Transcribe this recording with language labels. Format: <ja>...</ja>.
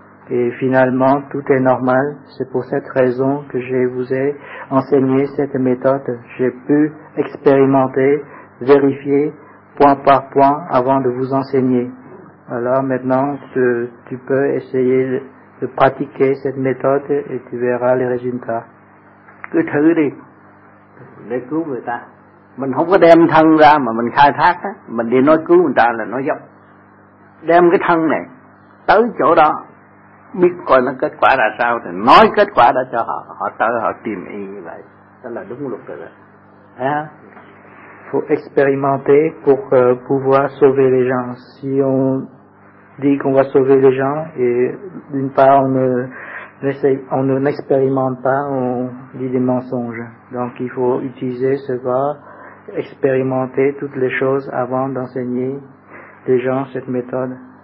<fr>Et finalement, tout est normal. C'est pour cette raison que je vous ai enseigné cette méthode. J'ai pu expérimenter, vérifier point par point avant de vous enseigner. Alors maintenant, tu peux essayer de pratiquer cette méthode et tu verras les résultats.</fr> <vi>Cứ thử đi, để cứu người ta. Mình không có đem thân ra mà mình khai thác á. Mình đi nói cứu người ta là nói dốc. Đem cái thân này tới chỗ đó. Biết coi nó kết quả là sao thì nói kết quả đã cho họ, họ tới họ tìm y như vậy, đó là đúng luật rồi đó. Thấy không?</vi> <fr>faut expérimenter pour pouvoir sauver les gens. Si on dit qu'on va sauver les gens et d'une part on n'expérimente pas, on dit des mensonges. Donc il faut utiliser ce pas, expérimenter toutes les choses avant d'enseigner les gens cette méthode.</fr>